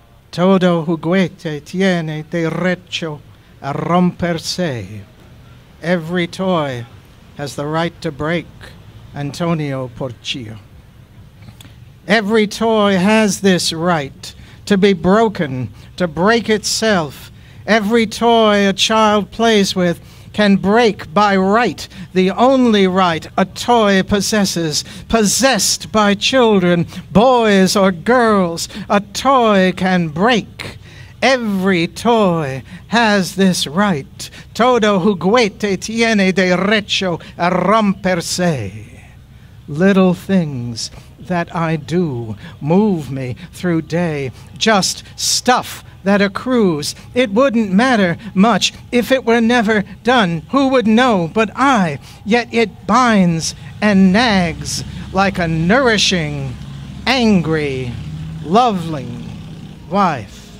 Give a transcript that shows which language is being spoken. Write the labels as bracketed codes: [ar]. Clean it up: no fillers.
[es] Todo juguete tiene derecho a romperse. [en] Every toy has the right to break, Antonio Porcio. Every toy has this right to be broken, to break itself. Every toy a child plays with can break by right the only right a toy possesses. Possessed by children, boys or girls, a toy can break. Every toy has this right. [es] Todo juguete tiene derecho a romperse. [en] Little things that I do move me through day. Just stuff that accrues. It wouldn't matter much if it were never done. Who would know but I? Yet it binds and nags like a nourishing, angry, lovely wife.